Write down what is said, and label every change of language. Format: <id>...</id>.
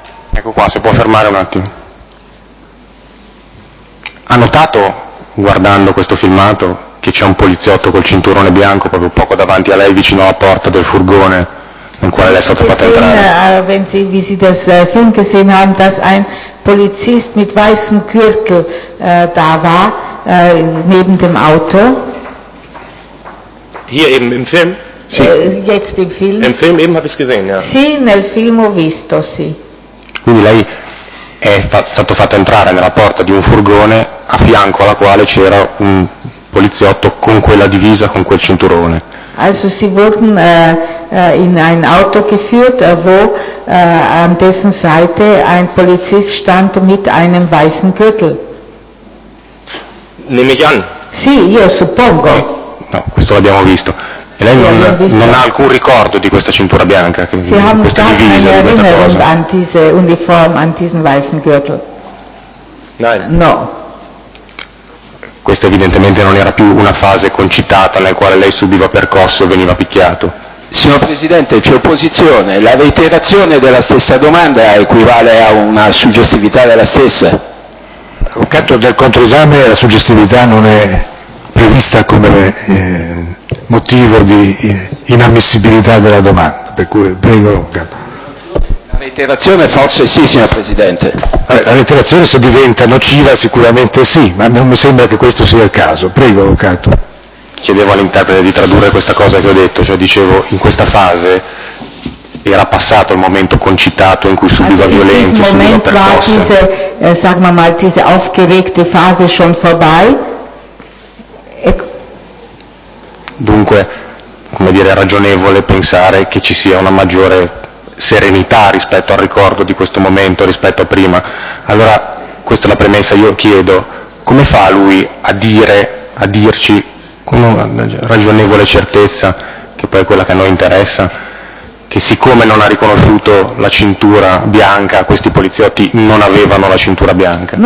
<it>Ecco qua, se può fermare un attimo. Ha notato, guardando questo filmato, che c'è un poliziotto col cinturone bianco proprio poco davanti a lei, vicino alla porta del furgone nel quale lei è stata fatta entrare?</it> <de>Wenn Sie, wie Sie das Film gesehen haben, dass ein Polizist mit weißem Gürtel da war, neben dem Auto. Hier eben im Film? Sì. Jetzt im Film? Im Film eben habe ich gesehen, ja.</de> <it>Sì, nel film ho visto, sì. Quindi lei è stato fatto entrare nella porta di un furgone a fianco alla quale c'era un poliziotto con quella divisa, con quel cinturone.</it> <de>Also sie wurden in ein Auto geführt, wo an dessen Seite ein Polizist stand mit einem weißen Gürtel. Nehme ich an.</de> <it>Sì, io suppongo. No, questo l'abbiamo visto. E lei non ha alcun ricordo di questa cintura bianca,</it> <de>Sie haben</de> <it>questa divisa, di questa</it> <de>Erinnerung</de> <it>cosa?</it> <de>An diese Uniform, an diesen weißen Gürtel? Nein.</de> <it>No. Questa evidentemente non era più una fase concitata nel quale lei subiva percosso e veniva picchiato. Signor Presidente, c'è opposizione. La reiterazione della stessa domanda equivale a una suggestività della stessa? Avvocato, del controesame la suggestività non è prevista come motivo di inammissibilità della domanda, per cui prego. La reiterazione forse sì, signor Presidente. La reiterazione se diventa nociva sicuramente sì, ma non mi sembra che questo sia il caso. Prego, avvocato. Chiedevo all'interprete di tradurre questa cosa che ho detto, cioè dicevo in questa fase era passato il momento concitato in cui subiva</it> <de>also</de> <it>violenza, subiva</it> <de>Moment</de> <it>percosse.</it> <de>Diese, sag mal mal, diese aufgeregte Phase schon vorbei.</de> <it>Dunque, come dire, è ragionevole pensare che ci sia una maggiore serenità rispetto al ricordo di questo momento rispetto a prima. Allora, questa è la premessa, io chiedo, come fa lui a dire, a dirci con una ragionevole certezza, che poi è quella che a noi interessa, che siccome non ha riconosciuto la cintura bianca, questi poliziotti non avevano la cintura bianca.</it>